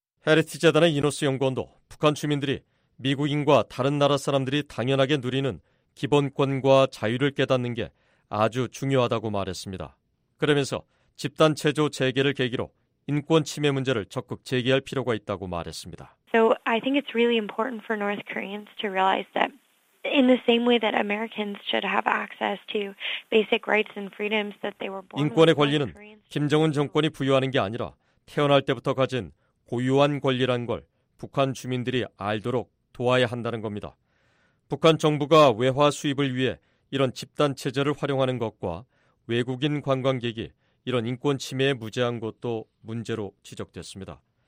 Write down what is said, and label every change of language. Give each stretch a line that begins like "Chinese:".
Korean: 헤리티재단의 이노스 연구원도 북한 주민들이 미국인과 다른 나라 사람들이 당연하게 누리는 기본권과 자유를 깨닫는 게 아주 중요하다고 말했습니다. 그러면서 집단 체조 재개를 계기로 인권 침해 문제를 적극 제기할 필요가 있다고 말했습니다.
English: So I think it's really important for North Koreans to realize that In the same way that Americans should have access to basic rights and freedoms that they were born.
Korean: 인권의 권리는 김정은 정권이 부여하는 게 아니라 태어날 때부터 가진 고유한 권리란 걸 북한 주민들이 알도록 도와야 한다는 겁니다. 북한 정부가 외화 수입을 위해 이런 집단 체제를 활용하는 것과 외국인 관광객이 이런 인권 침해에 무제한 것도 문제로 지적됐습니다.